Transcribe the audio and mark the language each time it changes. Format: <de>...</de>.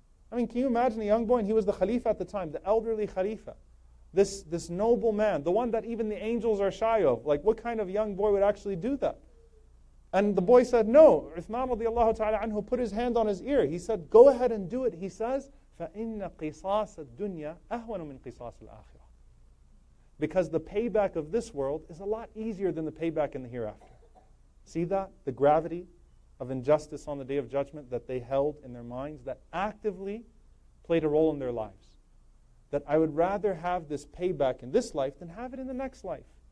<en>I mean, can you imagine a young boy, and he was the Khalifa at the time, the elderly Khalifa, this noble man, the one that even the angels are shy of, like what kind of young boy would actually do that? And the boy said, no, Uthman radiallahu ta'ala anhu put his hand on his ear, he said, go ahead and do it. He says,</en> <ar>فَإِنَّ قِصَاصَ الدُّنْيَا أَهْوَنُ مِنْ قِصَاصِ الْآخِرَةِ.</ar> <en>Because the payback of this world is a lot easier than the payback in the hereafter. See that? The gravity of injustice on the Day of Judgment that they held in their minds, that actively played a role in their lives. That I would rather have this payback in this life than have it in the next life.</en>